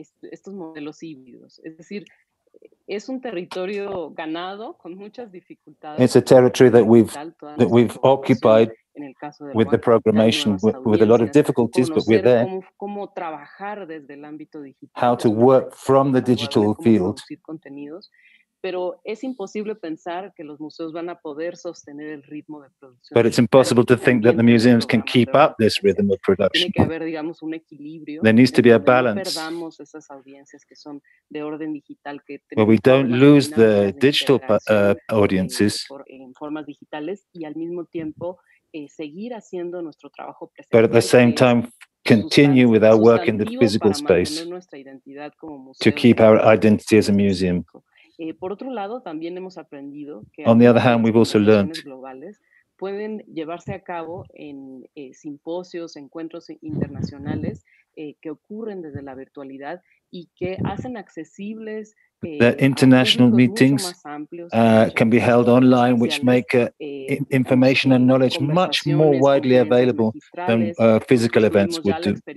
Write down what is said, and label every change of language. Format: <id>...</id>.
<es>Estos modelos híbridos, es decir, es un territorio ganado con muchas dificultades.</es> <en>It's a territory that we've occupied with the programmation with a lot of difficulties, but we're there.</en> <es>Cómo trabajar desde el ámbito digital.</es> <en>How to work from the digital field.</en> <es>Pero es imposible pensar que los museos van a poder sostener el ritmo de producción.</es> <en>But it's impossible to think that the museums can keep up this rhythm of production.</en> <es>Tiene que haber, digamos, un equilibrio.</es> <en>There needs to be a balance.</en> <es>No perdamos esas audiencias que son de orden digital.</es> <en>Well, we don't lose the digital audiences.</en> <es>En formas digitales y al mismo tiempo seguir haciendo nuestro trabajo presencial.</es> <en>But at the same time, continue with our work in the physical space to keep our identity as a museum.</en> <es>Por otro lado, también hemos aprendido que</es> <en>on the other hand, we've also learned</en> <es>globales pueden llevarse a cabo en simposios, encuentros internacionales que ocurren desde la virtualidad y que hacen accesibles</es> <en>the international meetings can be held online, which make information and knowledge much more widely available than physical events would do.</en>